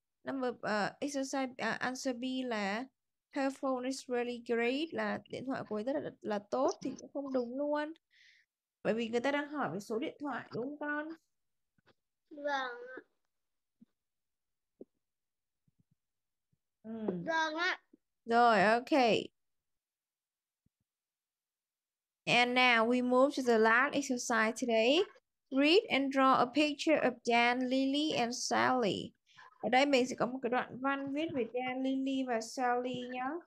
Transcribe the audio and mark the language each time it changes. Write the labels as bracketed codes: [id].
[en] Number answer B là her phone is really great. [vi] Là điện thoại của cô ấy rất là tốt. Thì cũng không đúng luôn. Bởi vì người ta đang hỏi về số điện thoại, đúng không con? Vâng ạ. Vâng ạ. Rồi, ok. [en] And now we move to the last exercise today. Read and draw a picture of Dan, Lily and Sally. [vi] Ở đây mình sẽ có một cái đoạn văn viết về Dan, Lily và Sally nhé.